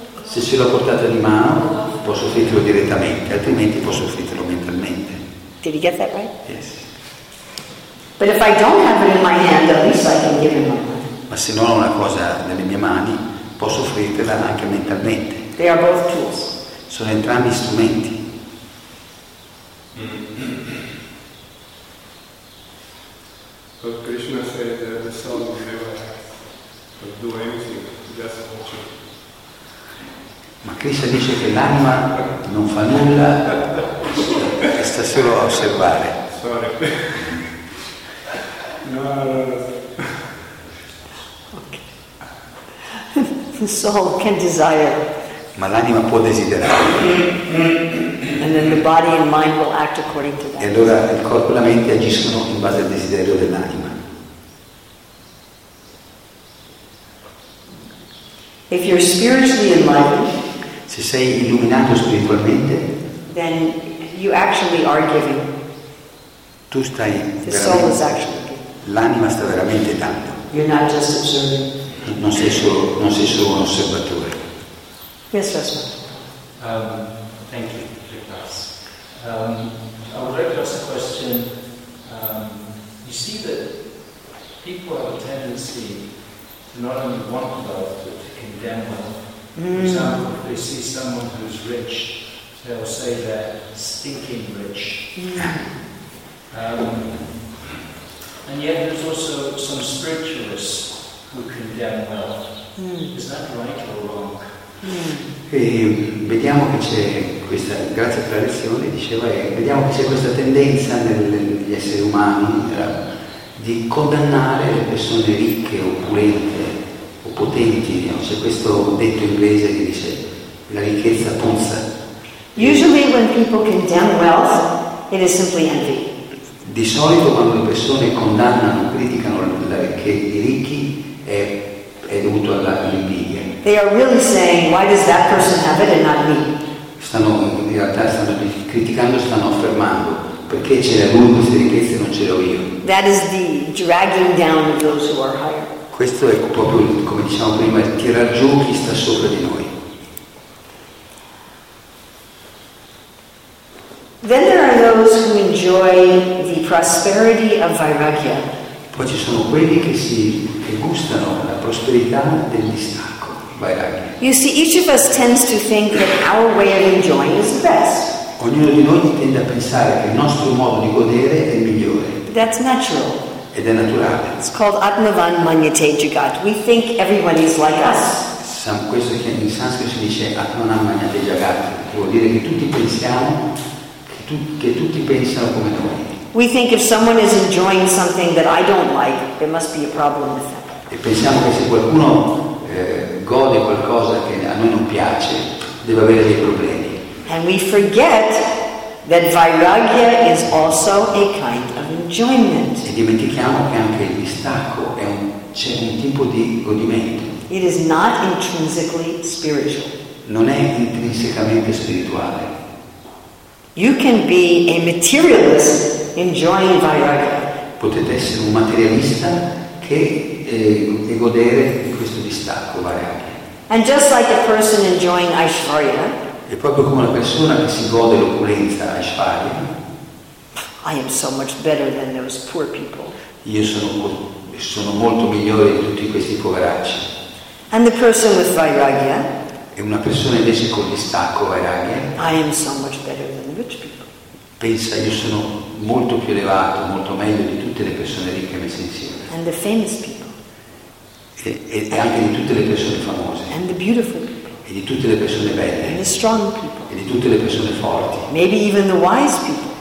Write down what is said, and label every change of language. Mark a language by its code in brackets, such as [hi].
[it] Se l'ho portata di mano, posso offrirlo direttamente, altrimenti posso offrirlo mentalmente. [en] Did you get that right? Yes. But if I don't have it in my hand, at least I can give it my mind. [it] Ma se non ho una cosa nelle mie mani, posso offrirtela anche mentalmente. [en] They are both tools. [it] Sono entrambi strumenti. [en] But Krishna said that the soul never do anything, just watch it. [it] Ma Krishna dice che l'anima non fa nulla, sta solo a osservare. [en] Sorry. No. Okay. The soul can desire. [it] Ma l'anima può desiderare. [en] And then the body and mind will act according to that. [it] E allora il corpo e la mente agiscono in base al desiderio dell'anima. [en] If you're spiritually enlightened, [it] se sei illuminato spiritualmente, [en] then you actually are giving. [it] Tu stai [en] the soul is actually giving. [it] L'anima sta veramente dando. [en] You're not just observing. [it] Non sei solo un osservatore. [en] Yes, Rasma. Thank you, Vikas. I would like to ask a question. You see that people have a tendency to not only want love, but to condemn love. For example, if they see someone who's rich, they'll say they're stinking rich. And yet there's also some spiritualists who condemn love. Is that right or wrong? [it] E vediamo che c'è questa, grazie per la lezione, diceva, vediamo che c'è questa tendenza negli esseri umani di condannare le persone ricche, opulente o potenti, no? C'è questo detto inglese che dice la ricchezza puzza. [en] Usually when people condemn wealth, it is simply envy. [it] Di solito quando le persone condannano, criticano i ricchi, è dovuto all'invidia. [en] They are really saying, why does that person have it and not me? [it] Stanno, in realtà stanno criticando, stanno affermando, perché ce l'ha lui queste ricchezze e non ce l'ho io. [en] That is the dragging down of those who are higher. [it] Questo è proprio, come diciamo prima, il tirar giù chi sta sopra di noi. [en] Then there are those who enjoy the prosperity of Vairagya. [it] Poi ci sono quelli che gustano la prosperità del distacco. [en] You see, each of us tends to think that our way of enjoying is the best. [it] Ognuno di noi tende a pensare che il nostro modo di godere è il migliore. [en] That's natural. [it] Ed è naturale. [en] It's called Atmavan Manyate Jagat. We think everyone is like us. [it] Questo che in sanscrito si dice Atmavan Manyate Jagat, che vuol dire che tutti pensiamo, che tutti pensano come noi. [en] We think if someone is enjoying something that I don't like, there must be a problem with that. [it] E pensiamo che se qualcuno gode qualcosa che a noi non piace, deve avere dei problemi. [en] And we forget that Vairagya is also a kind of enjoyment. [it] E dimentichiamo che anche il distacco è un tipo di godimento. [en] It is not intrinsically spiritual. [it] Non è intrinsecamente spirituale. [en] You can be a materialist enjoying Vairagya. [it] Potete essere un materialista che e godere di questo distacco Vairagya. [en] And just like a person enjoying Aishwarya. [it] E proprio come una persona che si gode l'opulenza Aishwarya. [en] I am so much better than those poor people. [it] Io sono molto migliore di tutti questi poveracci. [en] And the person with Vairagya. [it] E una persona invece con distacco Vairagya. [en] I am so much better than the rich people. [it] Pensa, io sono molto più elevato, molto meglio di tutte le persone ricche messe insieme. [en] And the famous people. [it] E anche di tutte le persone famose. [en] And the beautiful people. [it] E di tutte le persone belle. [en] And the strong people. [it] E di tutte le persone forti. [en] Maybe even the wise people.